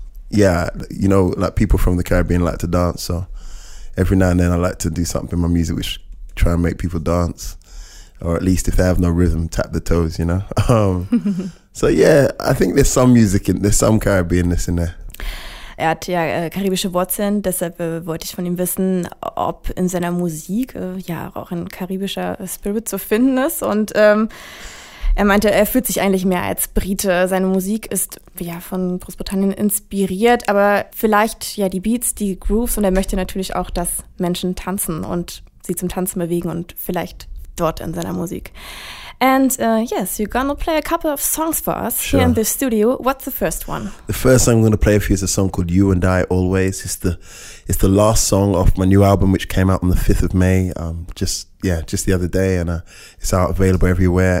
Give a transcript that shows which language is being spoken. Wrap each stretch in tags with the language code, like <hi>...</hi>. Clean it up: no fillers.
<en>Yeah, you know, like people from the Caribbean like to dance, so every now and then I like to do something in my music which try and make people dance, or at least if they have no rhythm, tap the toes, you know? So yeah, I think there's some music, there's some Caribbean-ness in there.</en> <de>Er hat ja karibische Wurzeln, deshalb wollte ich von ihm wissen, ob in seiner Musik auch ein karibischer Spirit zu finden ist. Und er meinte, er fühlt sich eigentlich mehr als Brite. Seine Musik ist von Großbritannien inspiriert, aber vielleicht die Beats, die Grooves, und er möchte natürlich auch, dass Menschen tanzen und sie zum Tanzen bewegen und vielleicht dort in seiner Musik.</de> <en>And yes, you're gonna play a couple of songs for us here in the studio. What's the first one? The first song I'm gonna play for you is a song called You and I Always. It's the last song off my new album, which came out on the 5th of May, just the other day, and it's out available everywhere.</en>